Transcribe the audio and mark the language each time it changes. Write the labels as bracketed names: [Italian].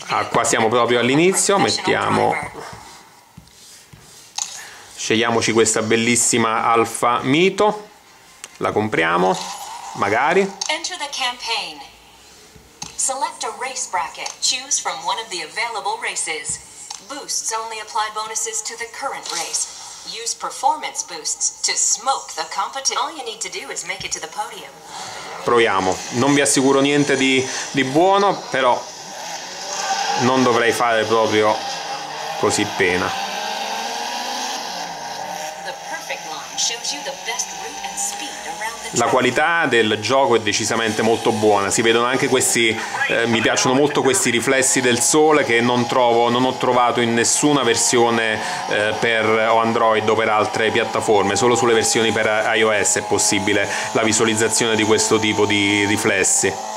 [Italian] Qua siamo proprio all'inizio, mettiamo, scegliamoci questa bellissima Alfa Mito, la compriamo, magari. [English] Enter the campaign. Select a race bracket. Choose from one of the available races. Boosts only apply bonuses to the current race. Use performance boosts to smoke the competition. All you need to do is make it to the podium. [Italian] Proviamo. Non vi assicuro niente di buono, però non dovrei fare proprio così pena. [English] The perfect line shows you the best route and speed. [Italian] La qualità del gioco è decisamente molto buona, si vedono anche questi, mi piacciono molto questi riflessi del sole che non ho trovato in nessuna versione per Android o per altre piattaforme, solo sulle versioni per iOS è possibile la visualizzazione di questo tipo di riflessi.